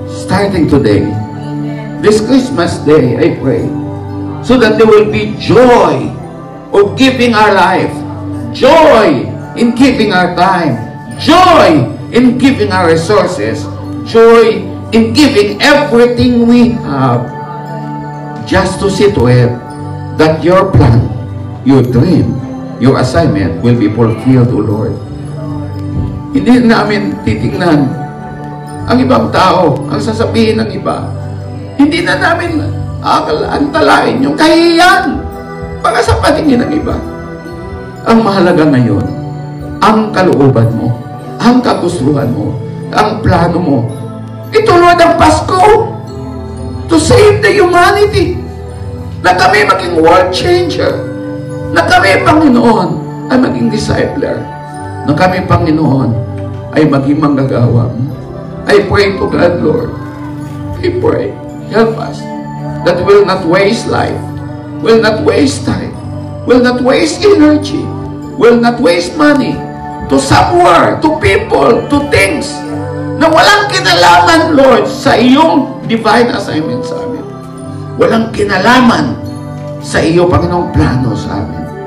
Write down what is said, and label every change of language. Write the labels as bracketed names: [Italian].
[English] starting today, this Christmas day, I pray, so that there will be joy of giving our life, joy in giving our time, joy in giving our resources, joy in giving everything we have just to see to it that your plan, your dream, your assignment will be fulfilled, O Lord. [Filipino] Hindi namin titignan ang ibang tao, ang sasabihin ng iba. Hindi na namin antalain yung kahiyan para sa patingin ng iba. Ang mahalaga ngayon, ang kalooban mo, ang kagustuhan mo, ang plano mo, ituloy ang Pasko [English] to save the humanity, [Filipino] na kami maging world changer, na kami, Panginoon, ay maging discipler, na kami, Panginoon, ay maging manggagawa mo. [English] I pray to God, Lord, I pray, help us that we'll not waste life, will not waste time, will not waste energy, will not waste money to somewhere, to people, to things [Filipino] na walang kinalaman, Lord, sa iyong divine assignment sa amin. Walang kinalaman sa iyo, Panginoong plano sa amin.